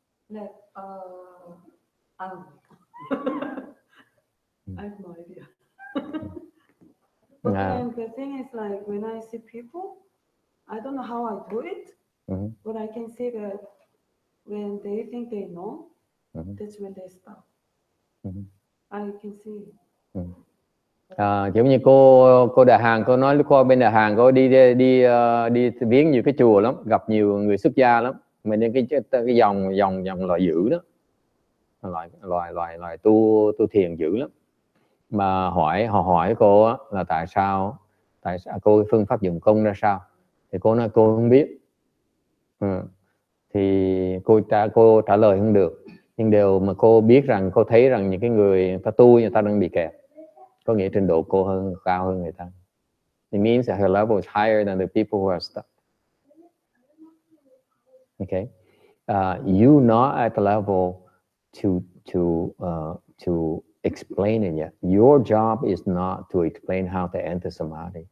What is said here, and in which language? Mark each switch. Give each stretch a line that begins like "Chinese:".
English: Like, I don't know. I have no idea. But the thing is, like, when I see people, I don't know how I do it, but I can see that when they think they know, that's when they stop. I can see.
Vietnamese: À, giống như cô đại hàng, cô nói cô bên đại hàng cô đi viếng nhiều cái chùa lắm, gặp nhiều người xuất gia lắm, mình nên cái dòng loài dữ đó, loài tu thiền dữ lắm, mà họ hỏi cô là tại sao cô phương pháp dụng công ra sao, thì cô nói cô không biết, thì cô trả lời không được, nhưng điều mà cô biết rằng cô thấy rằng những cái người ta đang bị kẹt. Có nghĩa trình độ cô hơn, cao hơn người ta.
English: It means that her level is higher than the people who are stuck. Okay. You're not at the level to explain it yet. Your job is not to explain how to enter samadhi.